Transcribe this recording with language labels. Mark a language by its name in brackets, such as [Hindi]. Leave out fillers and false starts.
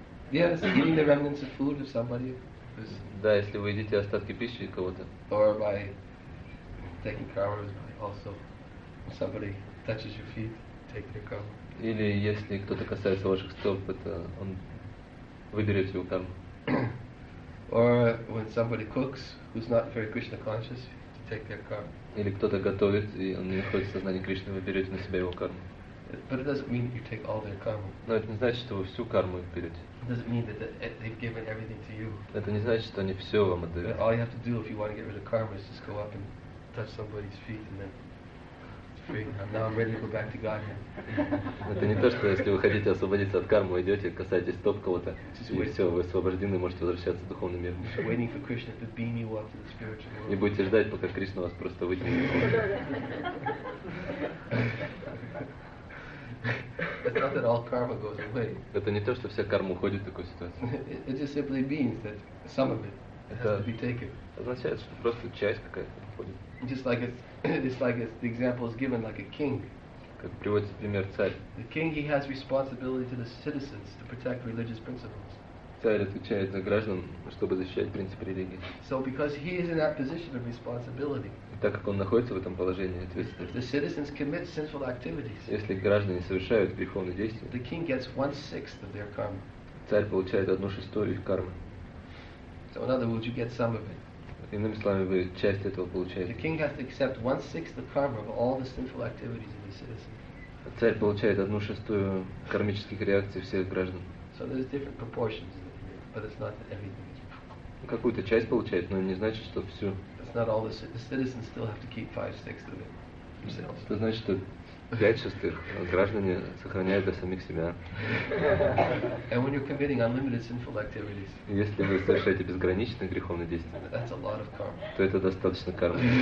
[English] Yes, eating the remnants of food of somebody. [Russian] Да, если вы едите остатки пищи кого-то. [English] Or by taking karma also somebody touches your feet, take their karma. [Russian] Или если кто-то касается ваших стоп, это он выберет его карму. [English] Or when somebody cooks who's not very Krishna conscious, to take their karma. [Russian] Или кто-то готовит, и он не находится в сознании Кришны, вы берете на себя его карму. [English] But it doesn't mean you take all their karma. [Russian] Но это не значит, что вы всю карму их берете. [English] It doesn't mean that they've given everything to you. [Russian] Это не значит, что они все вам отдают. [English] But all you have to do if you want to get rid of karma is just go up and touch somebody's feet and then now I'm ready to go back to Godhead. [Russian] Это не то, что если вы хотите освободиться от кармы, идете, касаетесь стоп кого-то, и все, вы освобождены, можете возвращаться в духовный мир. [English] Waiting for Krishna to beam you up to the spiritual world. [Russian] Не будете ждать, пока Кришна вас просто вытянет. [English] It's not that all karma goes away. [Russian] Это не то, что вся карма уходит в такой ситуации. [English] It just simply means that some of it has to be taken. [Russian] Означает, что просто часть какая-то уходит. [English] Just like it's the example is given like a king. [Russian] Как приводится пример, царь. [English] The king, he has responsibility to the citizens to protect religious principles. [Russian] Царь отвечает за граждан, чтобы защищать принципы религии. [English] So because he is in that position of responsibility. [Russian] Так как он находится в этом положении ответственности. [English] If the citizens commit sinful activities. [Russian] Если граждане совершают греховные действия. [English] The king gets 1/6 of their karma. [Russian] Царь получает 1/6 их кармы. [English] So in other words, you get some of it. [Russian] Иными словами, вы часть этого получаете. [English] The king has to accept 1/6 the karma of all the sinful activities of the citizens. [Russian] Царь получает 1/6 кармических реакций всех граждан. [English] So there's different proportions, but it's not that everything is. [Russian] Какую-то часть получает, но не значит, что всю. [English] It's not all the citizens still have to keep 5/6 of it themselves. [Russian] Это значит, что 5/6 граждане сохраняют для самих себя. [English] And when you're committing unlimited sinful activities. [Russian] Если вы совершаете безграничные греховные действия. [English] That's a lot of karma. [Russian] То это достаточно кармы.